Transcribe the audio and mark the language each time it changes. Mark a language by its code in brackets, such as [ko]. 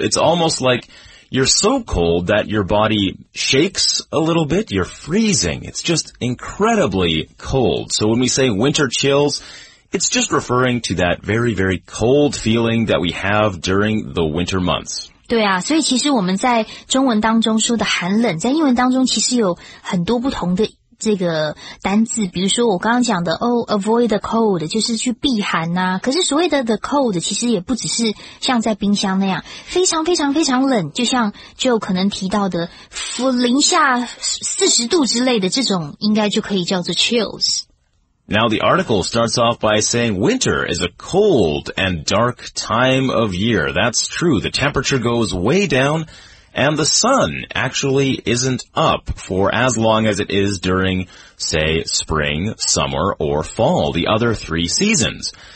[en] It's almost like you're so cold that your body shakes a little bit. You're freezing. It's just incredibly cold. So when we say winter chills, it's just referring to that very, very cold feeling that we have during the winter months. [zh] 对啊，所以其实我们在中文当中说的寒冷，在英文当中其实有很多不同的这个单字，比如说我刚刚讲的 avoid the cold, 就是去避寒啊，可是所谓的 the cold 其实也不只是像在冰箱那样非常非常非常冷，就像就可能提到的零下40度之类的，这种应该就可以叫做 chills。 [en] Now the article starts off by saying winter is a cold and dark time of year. That's true. The temperature goes way down and the sun actually isn't up for as long as it is during, say, spring, summer, or fall, the other three seasons.